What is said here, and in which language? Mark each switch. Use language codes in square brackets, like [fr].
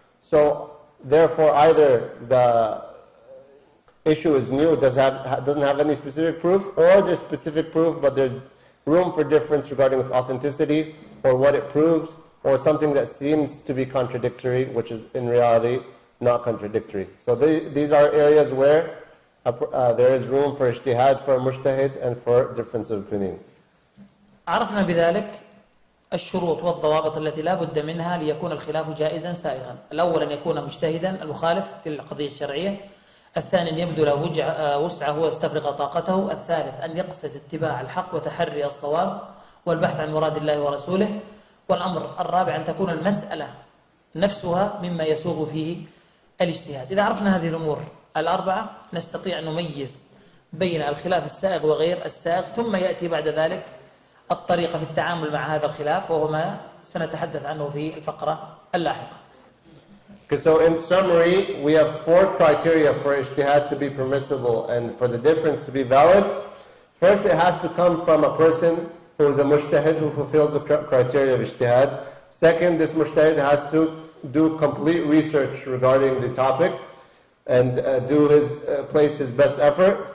[en] So therefore, either the issue is new, doesn't have any specific proof, or there's specific proof, but there's room for difference regarding its authenticity or what it proves, or something that seems to be contradictory, which is in reality not contradictory. So these are areas where there is room for ijtihad, for mujtahid, and for difference of opinion. [ar] عرفنا بذلك الشروط والضوابط التي لا بد منها ليكون الخلاف جائزا سائغا. الأول أن يكون مجتهدا المخالف في القضية الشرعية. الثاني أن يبذل وسعه ويستفرغ طاقته. الثالث أن يقصد اتباع الحق وتحري الصواب والبحث عن مراد الله ورسوله. والأمر الرابع أن تكون المسألة نفسها مما يسوغ فيه الاجتهاد. إذا عرفنا هذه الأمور الأربعة نستطيع أن نميز بين الخلاف السائغ وغير السائغ، ثم يأتي بعد ذلك الطريقة في التعامل مع هذا الخلاف، وهو ما سنتحدث عنه في الفقرة اللاحقة. [en] Okay, so in summary, we have four criteria for ijtihad to be permissible and for the difference to be valid. First, it has to come from a person who is a mujtahid who fulfills the criteria of ijtihad. Second, this mujtahid has to do complete research regarding the topic and place his best effort.